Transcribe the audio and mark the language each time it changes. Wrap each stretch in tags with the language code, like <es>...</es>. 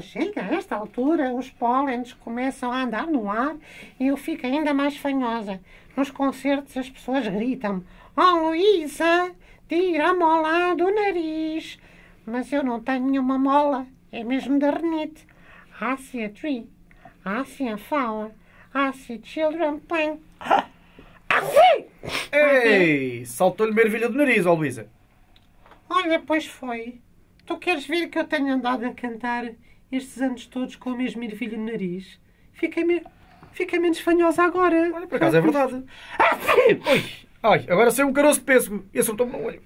<pt>Chega a esta altura, os pólenes começam a andar no ar e eu fico ainda mais fanhosa. Nos concertos as pessoas gritam: Oh, Luísa, tira a mola do nariz. Mas eu não tenho nenhuma mola, é mesmo da rinite.</pt> <en>I see a tree, I see a flower, I see children playing. I see!</en> <pt>Ei, saltou-lhe mervilha do nariz, ó Luísa. Olha, pois foi. Tu queres ver que eu tenho andado a cantar estes anos todos com o mesmo ervilho no nariz? Fica menos fanhosa agora. Olha, por acaso é verdade. Ui, ai, agora saiu um caroço de pêssego e acertou-me no olho.</pt>